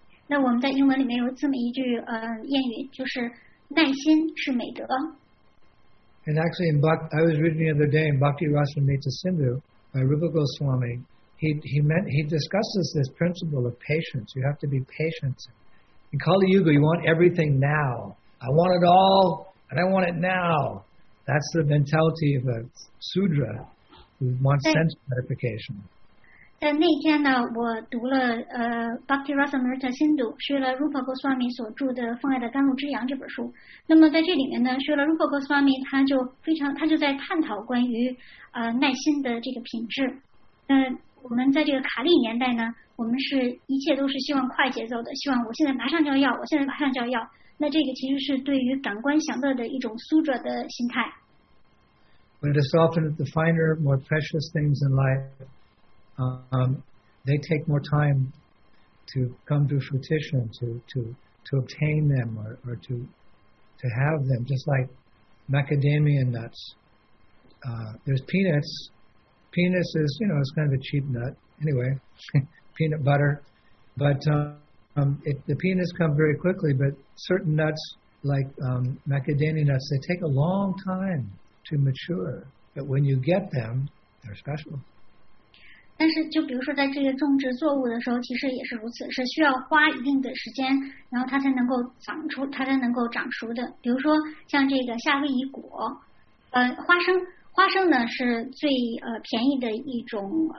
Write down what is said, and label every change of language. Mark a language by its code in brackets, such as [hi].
[zh] 那我们在英文里面有这么一句谚语，就是耐心是美德。 [en] And actually, I was reading the other day in Bhakti Rasamrita Sindhu by Rupa Goswami. He discusses this principle of patience. You have to be patient. In Kali Yuga, you want everything now. I want it all, and I want it now. That's the mentality of a sudra who wants sense gratification. [zh] 在那天呢，我读了Bhakti Rasamrita Sindhu， 学了 Rupa Goswami 所著的《奉爱的甘露之阳》这本书。那么在这里面呢，学了 Rupa Goswami， 他就在探讨关于耐心的这个品质。那我们在这个卡利年代呢，我们是一切都是希望快节奏的，希望我现在马上就要，我现在马上就要。那这个其实是对于感官享乐的一种sudra的心态。 [en] But it's often the finer, more precious things in life. They take more time to come to fruition, to obtain them or to have them, just like macadamia nuts. There's peanuts. Peanuts is, you know, it's kind of a cheap nut. Anyway, peanut butter. But the peanuts come very quickly, but certain nuts, like macadamia nuts, they take a long time to mature. But when you get them, they're special. [zh] 但是就比如说在这个种植作物的时候其实也是如此是需要花一定的时间然后它才能够长熟的比如说像这个夏威夷果花生呢是最便宜的一种